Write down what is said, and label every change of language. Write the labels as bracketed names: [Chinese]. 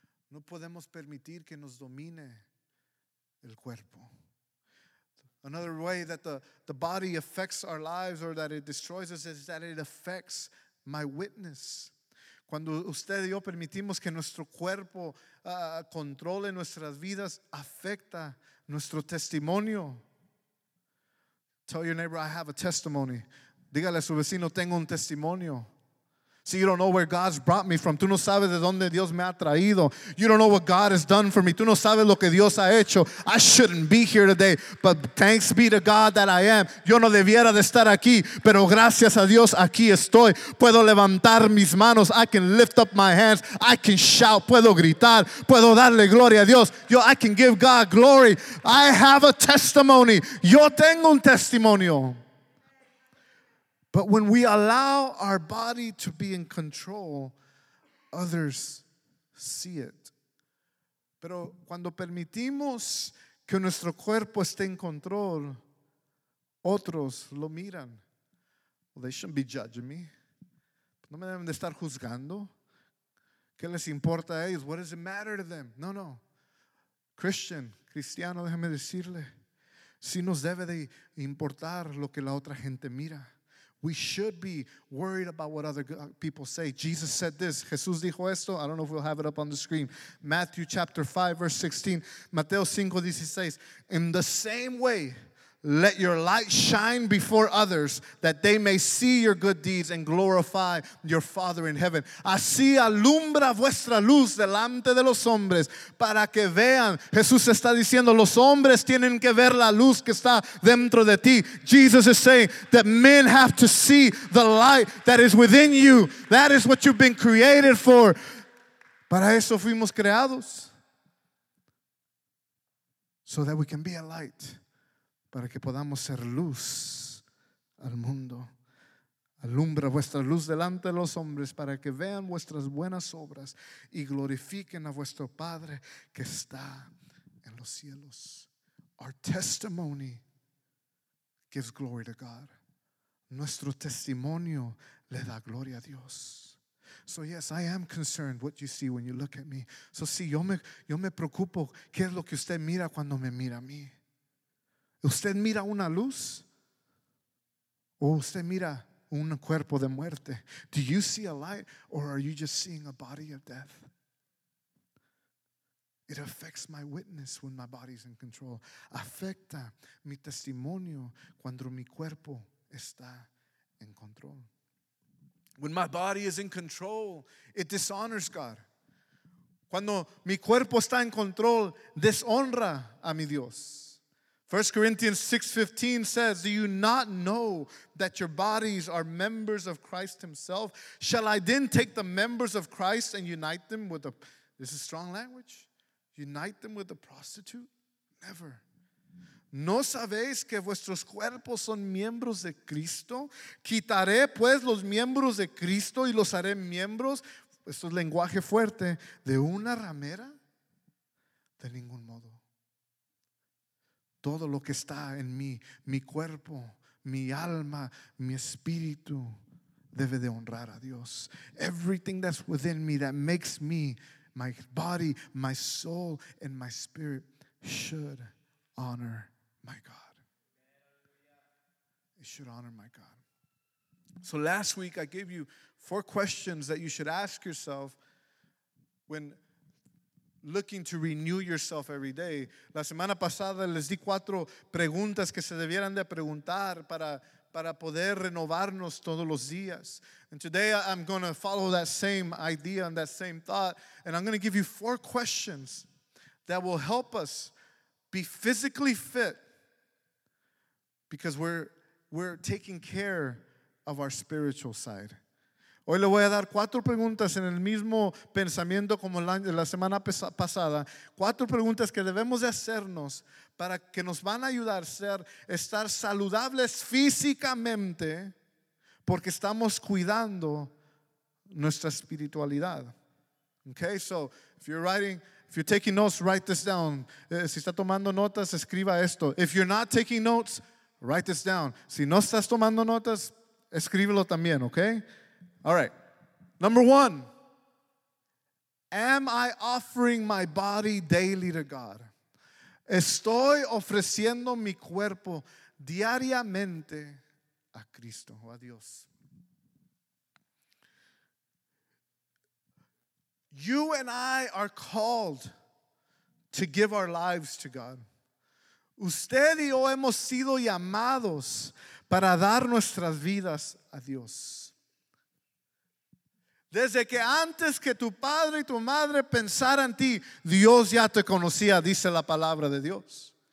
[Spanish] No podemos permitir que nos domine el cuerpo. [English] Another way that the body affects our lives or that it destroys us is that it affects my witness. [Spanish] Cuando usted y yo permitimos que nuestro cuerpo controle nuestras vidas, afecta nuestro testimonio. [English] Tell your neighbor, I have a testimony. [Spanish] Dígale a su vecino, tengo un testimonio. [English] See, you don't know where God's brought me from. [Spanish] Tú no sabes de dónde Dios me ha traído. [English] You don't know what God has done for me. [Spanish] Tú no sabes lo que Dios ha hecho. [English] I shouldn't be here today, but thanks be to God that I am. [Spanish] Yo no debiera de estar aquí, pero gracias a Dios aquí estoy. Puedo levantar mis manos. [English] I can lift up my hands. I can shout. [Spanish] Puedo gritar. Puedo darle gloria a Dios. Yo, [English] I can give God glory. I have a testimony. [Spanish] Yo tengo un testimonio. [English] But when we allow our body to be in control, others see it. [Spanish] Pero cuando permitimos que nuestro cuerpo esté en control, otros lo miran. [English] Well, they shouldn't be judging me. [Spanish] No me deben de estar juzgando. ¿Qué les importa a ellos? [English] What does it matter to them? [Spanish] No, no. [English] Christian, [Spanish] Cristiano, déjame decirle, si nos debe de importar lo que la otra gente mira. [English] We should be worried about what other people say. Jesus said this. [Spanish] Jesús dijo esto. [English] I don't know if we'll have it up on the screen. Matthew chapter 5, verse 16. [Spanish] Mateo 5, 16. [English] In the same way, let your light shine before others that they may see your good deeds and glorify your Father in heaven. [Spanish] Así alumbra vuestra luz delante de los hombres para que vean. Jesús está diciendo, los hombres tienen que ver la luz que está dentro de ti. [English] Jesus is saying that men have to see the light that is within you. That is what you've been created for. [Spanish] Para eso fuimos creados. [English] So that we can be a light. [Spanish] Para que podamos ser luz al mundo. Alumbra vuestra luz delante de los hombres para que vean vuestras buenas obras y glorifiquen a vuestro Padre que está en los cielos. [English] Our testimony gives glory to God. [Spanish] Nuestro testimonio le da gloria a Dios. [English] So yes, I am concerned what you see when you look at me. [Spanish] So sí, yo me preocupo qué es lo que usted mira cuando me mira a mí. ¿Usted mira una luz? ¿O usted mira un cuerpo de muerte? [English] Do you see a light or are you just seeing a body of death? It affects my witness when my body's in control. [Spanish] Afecta mi testimonio cuando mi cuerpo está en control. [English] When my body is in control, it dishonors God. [Spanish] Cuando mi cuerpo está en control, deshonra a mi Dios. [English] 1 Corinthians 6:15 says, do you not know that your bodies are members of Christ himself? Shall I then take the members of Christ and unite them with a, this is strong language, unite them with a prostitute? Never. [Spanish] ¿No sabéis que vuestros cuerpos son miembros de Cristo? ¿Quitaré pues los miembros de Cristo y los haré miembros? Esto es lenguaje fuerte. ¿De una ramera? De ningún modo. Todo lo que está en mí, mi cuerpo, mi alma, mi espíritu, debe de honrar a Dios. [English] Everything that's within me that makes me, my body, my soul, and my spirit, should honor my God. It should honor my God. So last week I gave you four questions that you should ask yourself when looking to renew yourself every day. [Spanish] La semana pasada les di cuatro preguntas que se debieran de preguntar para poder renovarnos todos los días. [English] And today I'm going to follow that same idea and that same thought. And I'm going to give you four questions that will help us be physically fit because we're taking care of our spiritual side. [Spanish] Hoy le voy a dar cuatro preguntas en el mismo pensamiento como la semana pasada. Cuatro preguntas que debemos de hacernos para que nos van a ayudar a estar saludables físicamente porque estamos cuidando nuestra espiritualidad. [English] Okay, so if you're writing, if you're taking notes, write this down. [Spanish] Si está tomando notas, escriba esto. [English] If you're not taking notes, write this down. [Spanish] Si no estás tomando notas, escríbelo también, okay? [English] All right, number one, am I offering my body daily to God? [Spanish] ¿Estoy ofreciendo mi cuerpo diariamente a Cristo o a Dios? [English] You and I are called to give our lives to God. [Spanish] Usted y yo hemos sido llamados para dar nuestras vidas a Dios. Desde que antes que tu padre y tu madre pensaran en ti, Dios ya te conocía, dice la palabra de Dios.